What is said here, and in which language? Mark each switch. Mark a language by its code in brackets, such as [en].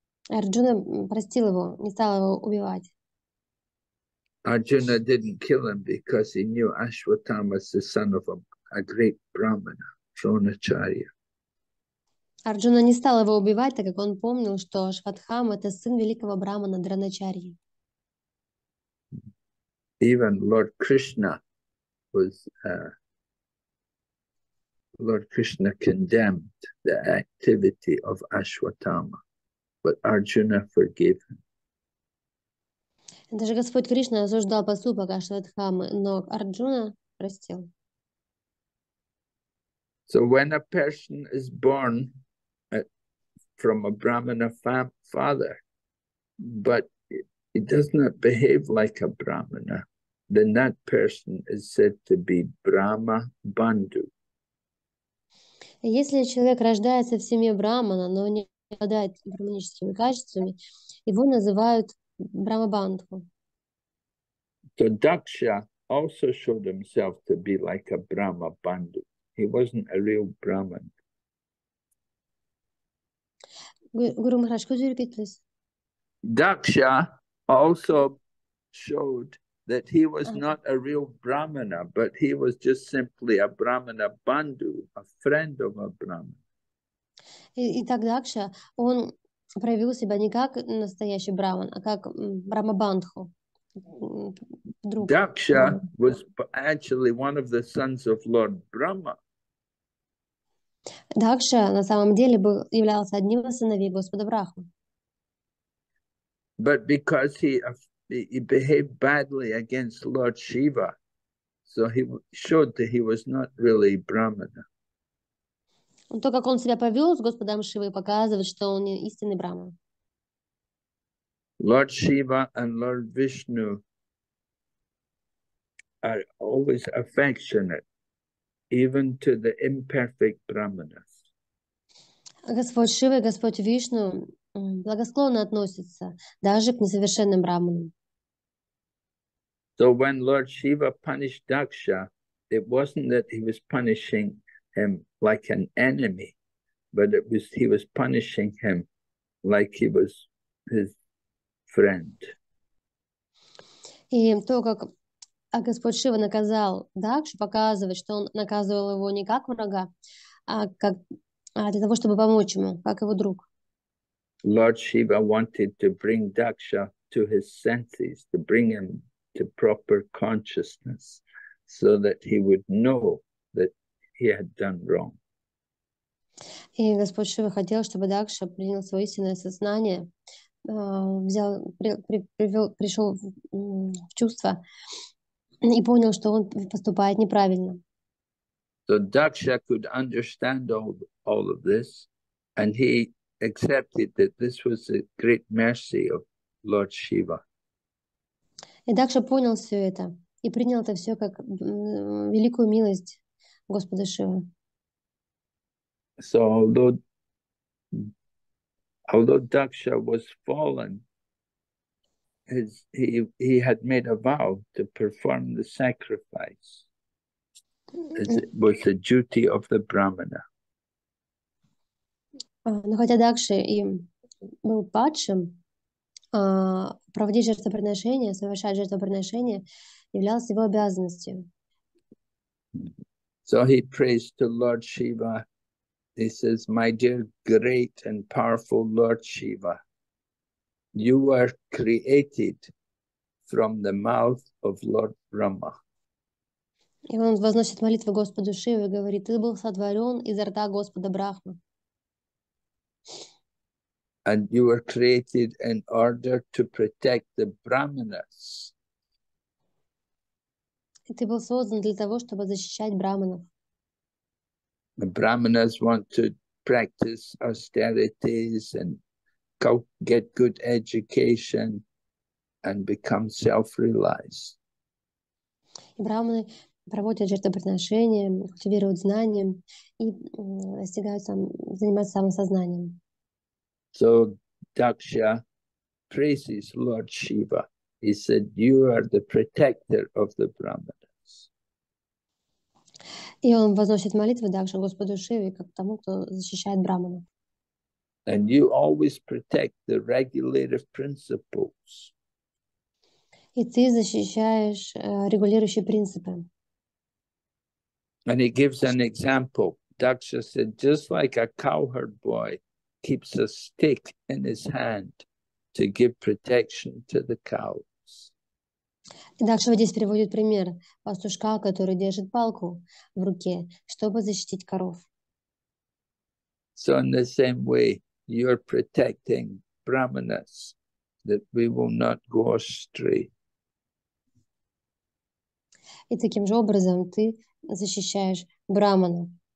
[ru] Арджуна простил его, не стал его убивать. [en] Arjuna didn't kill him because he knew Ashwatthama is the son of a great brahmana, Dronacharya. [ru] Арджуна не стал его убивать, так как он помнил, что Ашватхама это сын великого брахмана Дроначарьи. [en] Even Lord Krishna was Lord Krishna condemned the activity of Ashwatthama, but Arjuna forgave him. [ru] Даже Господь Кришна осуждал поступок Ашватхамы, но Арджуна простил. [en] So when a person is born from a Brahmana father, but he does not behave like a Brahmana, then that person is said to be Brahma Bandhu. [ru] Если человек рождается в семье брахмана, но не обладает брахманическими качествами, его называют брахмабандху. [en] So Daksha also showed himself to be like a Brahma Bandhu. He wasn't a real Brahman. Guru Maharaj, could you repeat, please? Daksha also showed that he was not a real Brahmana, but he was just simply a Brahmana Bandhu, a friend of a Brahmana. [ru] И так Дакша, он проявил себя не как настоящий Браман, а как Брахмабандху, друг. [en] Daksha was actually one of the sons of Lord Brahma. [ru] Дакша на самом деле был, являлся одним из сыновей Господа Брахмы. [en] But because he behaved badly against Lord Shiva, so he showed that he was not really Brahmana. [ru] То, как он себя повел с Господом Шивой, показывает, что он не истинный Брахман. [en] Lord Shiva and Lord Vishnu are always affectionate, even to the imperfect Brahmanas. [ru] Господь Шива и Господь Вишну благосклонно относятся даже к несовершенным Брахманам. [en] So when Lord Shiva punished Daksha, it wasn't that he was punishing him like an enemy, but it was he was punishing him like he was his friend. [ru] И то, как Господь Шива наказал Дакшу, показывает, что он наказывал его не как врага, а как для того, чтобы помочь ему, как его друг. [en] Lord Shiva wanted to bring Daksha to his senses, to bring him to proper consciousness, so that he would know that he had done wrong. [ru] И Господь Шива хотел, чтобы Дакша принял свое истинное сознание, пришел в чувство и понял, что он поступает неправильно. [en] So Daksha could understand all of this, and he accepted that this was a great mercy of Lord Shiva. [ru] И Дакша понял все это и принял это все как великую милость Господа Шивы. [en] So although Daksha was fallen, he had made a vow to perform the sacrifice, as it was the duty of the Brahmana. [ru] Но хотя Дакша и был падшим, проводить жертвоприношение, совершать жертвоприношение являлось его обязанностью. [en] So he prays to Lord Shiva. He says, "My dear, great and powerful Lord Shiva, you were created from the mouth of Lord Brahma." [ru] И он возносит молитву Господу Шиве и говорит: "Ты был сотворен изо рта Господа Брахмы." [en] And you were created in order to protect the Brahmanas. [ru] Ты был создан для того, чтобы защищать брахманов. [en] The Brahmanas want to practice austerities and get good education and become self-realized. [ru] И брахманы проводят жертвоприношения, культивируют знания и достигают занимаются самосознанием. [en] So Daksha praises Lord Shiva. He said, "You are the protector of the Brahmanas." [ru] И он возносит молитву Дакше Господу Шиве, как тому, кто защищает брахманов. [en] And you always protect the regulative principles. [ru] И ты защищаешь регулирующие принципы. [en] And he gives an example. Daksha said, "Just like a cowherd boy keeps a stick in his hand to give protection to the cows." [ru] И дальше вот здесь приводит пример пастушка, который держит палку в руке, чтобы защитить коров. [en] So in the same way, you're protecting brahmanas, that we will not go astray. [ru] И таким же образом ты защищаешь брахмана.